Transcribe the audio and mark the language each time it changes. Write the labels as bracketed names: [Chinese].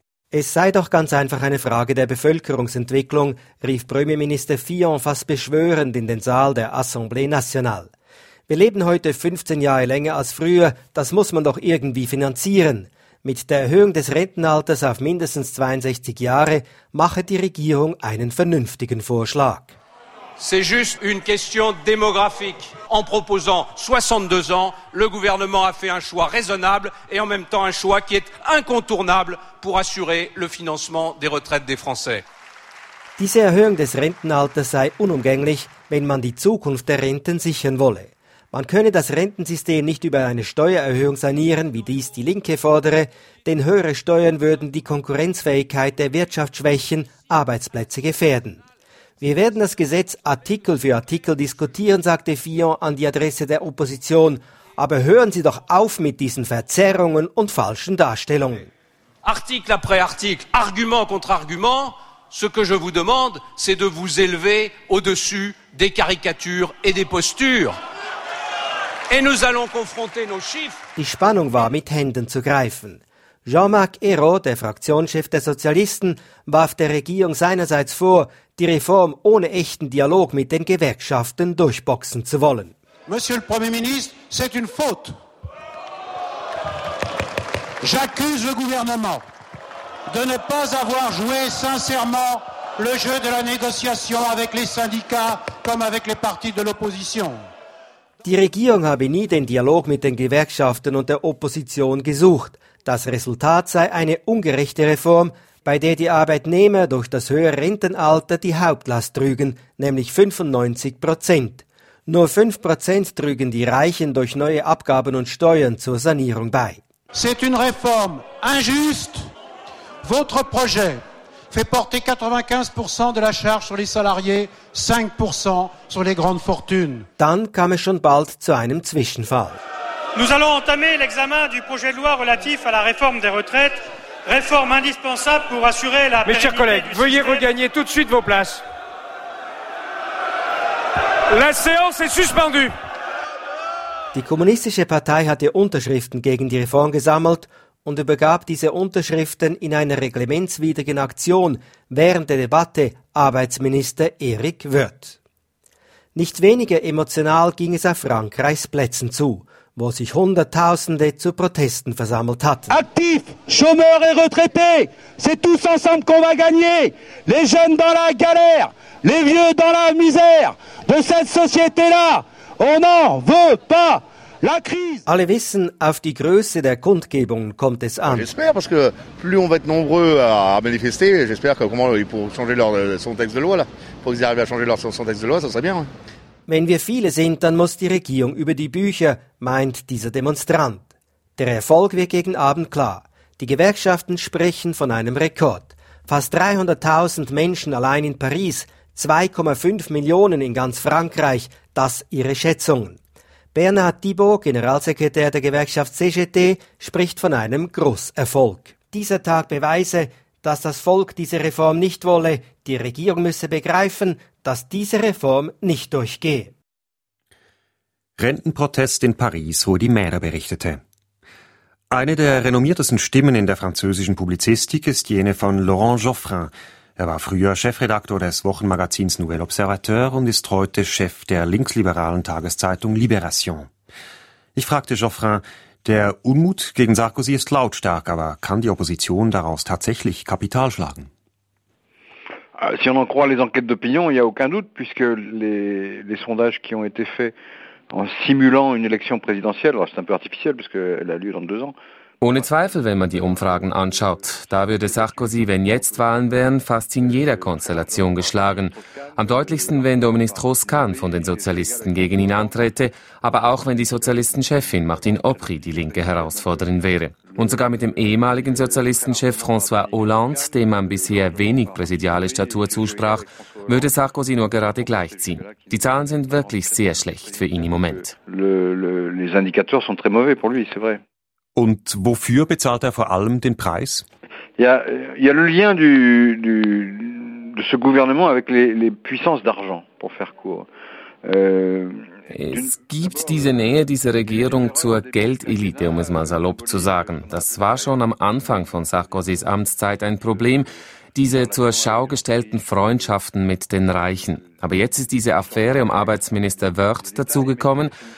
[German] Es sei doch ganz einfach eine Frage der Bevölkerungsentwicklung, rief Premierminister Fillon fast beschwörend in den Saal der Assemblée Nationale. Wir leben heute 15 Jahre länger als früher, das muss man doch irgendwie finanzieren. Mit der Erhöhung des Rentenalters auf mindestens 62 Jahre mache die Regierung einen vernünftigen Vorschlag. [French] C'est juste une question démographique. En proposant 62 ans, le gouvernement a fait un choix raisonnable et en même temps un choix qui est incontournable pour assurer le financement des retraites des Français. [German] Diese Erhöhung des Rentenalters sei unumgänglich, wenn man die Zukunft der Renten sichern wolle. Man könne das Rentensystem nicht über eine Steuererhöhung sanieren, wie dies die Linke fordere, denn höhere Steuern würden die Konkurrenzfähigkeit der Wirtschaft schwächen, Arbeitsplätze gefährden. Wir werden das Gesetz Artikel für Artikel diskutieren, sagte Fillon an die Adresse der Opposition. Aber hören Sie doch auf mit diesen Verzerrungen und falschen Darstellungen. [French] Artikel après Artikel, Argument contre Argument, ce que je vous demande, c'est de vous élever au-dessus des caricatures et des postures. Et nous allons confronter nos chiffres. [German] Die Spannung war mit Händen zu greifen. Jean-Marc Ayrault, der Fraktionschef der Sozialisten, warf der Regierung seinerseits vor, die Reform ohne echten Dialog mit den Gewerkschaften durchboxen zu wollen. [French] Monsieur le Premier ministre, c'est une faute. J'accuse le gouvernement de ne pas avoir joué sincèrement le jeu de la négociation avec les syndicats comme avec les partis de l'opposition. [German] Die Regierung habe nie den Dialog mit den Gewerkschaften und der Opposition gesucht. Das Resultat sei eine ungerechte Reform, bei der die Arbeitnehmer durch das höhere Rentenalter die Hauptlast trügen, nämlich 95%. Nur 5% trügen die Reichen durch neue Abgaben und Steuern zur Sanierung bei. [French] C'est une réforme injuste. Votre projet fait porter 95% de la charge sur les salariés, 5% sur les grandes fortunes. [German] Dann kam es schon bald zu einem Zwischenfall. [French] Nous allons entamer l'examen du projet de loi relatif à la réforme des retraites, réforme indispensable pour assurer la pérennité. Mes chers collègues, veuillez regagner tout de suite vos places. La séance est suspendue. [German] Die kommunistische Partei hatte Unterschriften gegen die Reform gesammelt und übergab diese Unterschriften in einer reglementswidrigen Aktion während der Debatte Arbeitsminister Erik Wirth. Nicht weniger emotional ging es auf Frankreichs Plätzen zu, wo sich Hunderttausende zu Protesten versammelt hatten. [French] Aktiv, chômeurs et retraités, c'est tous ensemble qu'on va gagner. Les jeunes dans la galère, les vieux dans la misère de cette société-là. Oh non, veut pas la crise. [German] Alle wissen, auf die Größe der Kundgebung kommt es an. [French] J'espère parce que plus on va être nombreux à manifester, j'espère que comment ils pourront changer leur son texte de loi là. Pour qu'ils arrivent à changer leur son texte de loi, ça serait bien. Ouais. [German] Wenn wir viele sind, dann muss die Regierung über die Bücher, meint dieser Demonstrant. Der Erfolg wird gegen Abend klar. Die Gewerkschaften sprechen von einem Rekord. Fast 300.000 Menschen allein in Paris, 2,5 Millionen in ganz Frankreich, das ihre Schätzungen. Bernard Thibault, Generalsekretär der Gewerkschaft CGT, spricht von einem Großerfolg. Dieser Tag beweise, dass das Volk diese Reform nicht wolle, die Regierung müsse begreifen, dass diese Reform nicht durchgehe. Rentenprotest in Paris, Rudi Mähler berichtete. Eine der renommiertesten Stimmen in der französischen Publizistik ist jene von Laurent Geoffrin. Er war früher Chefredaktor des Wochenmagazins Nouvel Observateur und ist heute Chef der linksliberalen Tageszeitung Libération. Ich fragte Geoffrin, der Unmut gegen Sarkozy ist lautstark, aber kann die Opposition daraus tatsächlich Kapital schlagen? [French] Si on en croit les enquêtes d'opinion, il n'y a aucun doute, puisque les sondages qui ont été faits en simulant une élection présidentielle, alors c'est un peu artificiel, puisqu'elle a lieu dans deux ans. [German] Ohne Zweifel, wenn man die Umfragen anschaut, da würde Sarkozy, wenn jetzt Wahlen wären, fast in jeder Konstellation geschlagen. Am deutlichsten, wenn Dominique Strauss-Kahn von den Sozialisten gegen ihn antrete, aber auch wenn die Sozialistenchefin Martine Aubry die linke Herausforderin wäre. Und sogar mit dem ehemaligen Sozialistenchef François Hollande, dem man bisher wenig präsidiale Statur zusprach, würde Sarkozy nur gerade gleichziehen. Die Zahlen sind wirklich sehr schlecht für ihn im Moment. [French] Les indicateurs sont très mauvais pour lui, c'est vrai. [German] Und wofür bezahlt er vor allem den Preis? [French] Il y a le lien de ce gouvernement avec les puissances d'argent, pour faire court. [German] Es gibt diese Nähe dieser Regierung zur Geldelite, um es mal salopp zu sagen. Das war schon am Anfang von Sarkozys Amtszeit ein Problem, diese zur Schau gestellten Freundschaften mit den Reichen. Aber jetzt ist diese Affäre um Arbeitsminister Wirth dazugekommen.